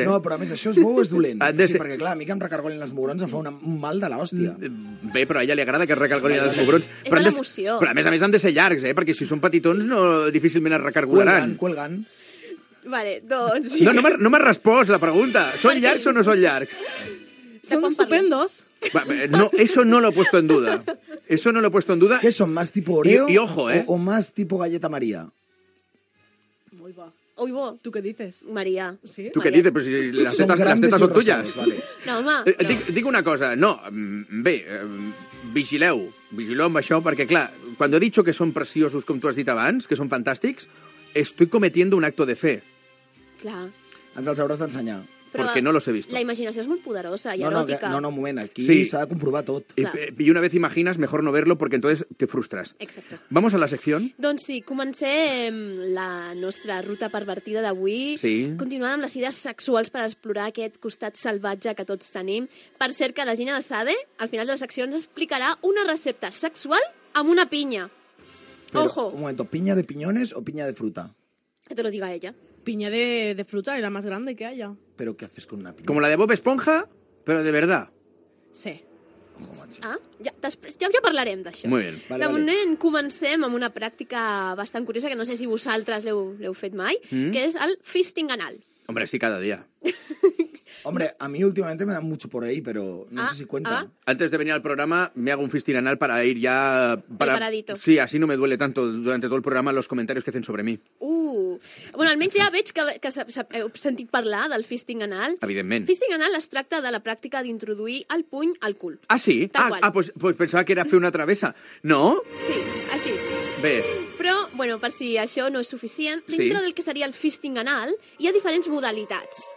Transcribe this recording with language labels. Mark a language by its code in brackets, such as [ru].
[ca] No, però a més, això és bo o és dolent? Sí, perquè clar, a mi que em recargonin els mugrons em fa un mal de l'hòstia. Bé, però a ella li agrada que es recargonin els mugrons. És l'emoció. Però a més han de ser llargs, perquè si són petitons no difícilment es recargolaran. [es] Cuelgan. [ca] Vale, doncs... No, no m'has respost la pregunta. Són llargs o no són llargs? Són estupendos. [es] No, eso no lo he puesto en duda. Eso no lo he puesto en duda. ¿Qué son? ¿Más tipo Oreo? Y ojo, ¿eh? ¿O más tipo Galleta María? Muy va. Uy, bo. ¿Tú qué dices? María. ¿Sí? ¿Tú qué dices? Pero si las tetas son tuyas. Vale. No, [ca] home. Digo una cosa. No, bé, vigileu. Vigileu amb això, perquè, clar, quan he dicho que són preciosos, com tu has dit abans, que són fantàstics, [es] estoy cometiendo un acto de fe. [ca] Clar. Ens els hauràs d'ensenyar. [es] Porque no los he visto. [ca] La imaginació és molt poderosa i eròtica. No, un moment, aquí s'ha de comprovar tot. [es] I una vez imaginas, mejor no verlo, porque entonces te frustras. Exacto. ¿Vamos a la sección? [ca] Doncs sí, comencem la nostra ruta pervertida d'avui. Sí. Continuant amb les idees sexuals per explorar aquest costat salvatge que tots tenim. Per cert, que la Gina de Sade, al final de la secció, ens explicarà una recepta sexual amb una pinya. [es] Pero, ojo. Un momento, ¿piña de piñones o piña de fruta? Que te lo diga ella. Piña de fruta, era más grande que haya. ¿Pero qué haces con una piña? Como la de Bob Esponja, pero de verdad. Sí. [ca] Ah, ja parlarem d'això. Molt bé. Vale, de moment comencem amb una pràctica bastant curiosa, que no sé si vosaltres l'heu fet mai, que és el fisting anal. [es] Hombre, sí, cada dia. Hombre, a mí últimamente me dan mucho por ahí, pero no sé si cuenta. Antes de venir al programa, me hago un fisting anal para ir ya... Preparadito. Sí, así no me duele tanto durante todo el programa los comentarios que hacen sobre mí. [ca] Bueno, almenys ja veig que heu sentit parlar del fisting anal. Evidentment. Fisting anal es tracta de la pràctica d'introduir el puny al cul. Ah, sí? Pues pensava que era fer una travessa. No? Sí, així. Bé. Però, bueno, per si això no és suficient, dintre del que seria el fisting anal, hi ha diferents modalitats.